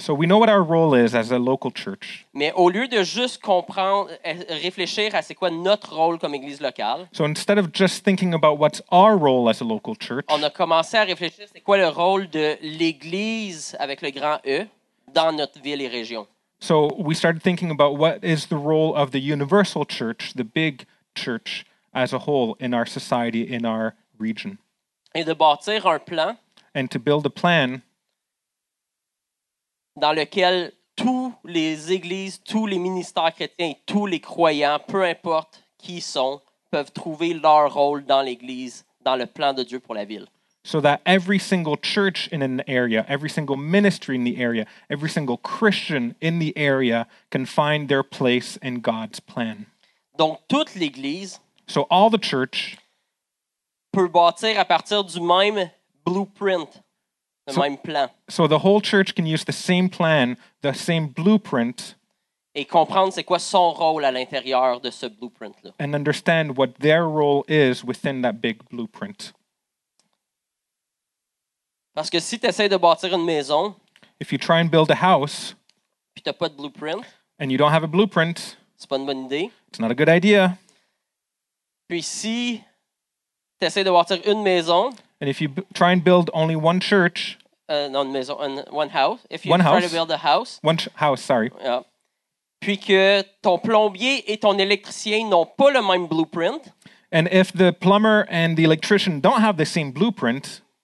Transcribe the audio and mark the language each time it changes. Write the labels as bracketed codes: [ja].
[en] So we know what our role is as a local church. [fr] Mais au lieu de juste comprendre, réfléchir à c'est quoi notre rôle comme église locale. [en] So instead of just thinking about what's our role as a local church. [fr] On a commencé à réfléchir c'est quoi le rôle de l'église avec le grand E dans notre ville et région. [en] So we started thinking about what is the role of the universal church, the big church as a whole in our society, in our region. [fr] Et de bâtir un plan. [en] And to build a plan. [fr] Dans lequel tous les églises, tous les ministères chrétiens, tous les croyants, peu importe qui ils sont, peuvent trouver leur rôle dans l'église, dans le plan de Dieu pour la ville. [en] So that every single church in an area, every single ministry in the area, every single Christian in the area can find their place in God's plan. [fr] Donc toute l'église, [en] so all the church, [fr] peut bâtir à partir du même blueprint, même plan. [en] So the whole church can use the same plan, the same blueprint, [fr] et comprendre c'est quoi son rôle à l'intérieur de ce blueprint là. [en] And understand what their role is within that big blueprint. [fr] Parce que si tu essaies de bâtir une maison, [en] if you try and build a house, [fr] puis t'as pas de blueprint, [en] and you don't have a blueprint, [fr] c'est pas une bonne idée. [en] It's not a good idea. [fr] Puis si tu essaies de bâtir une maison, [en] and if you try and build only one church, [fr] non, une maison, [en] one house, if you try to build a house, one house. Yeah. [fr] Puis que ton plombier et ton électricien n'ont pas le même blueprint, [en] and if the plumber and the electrician don't have the same blueprint,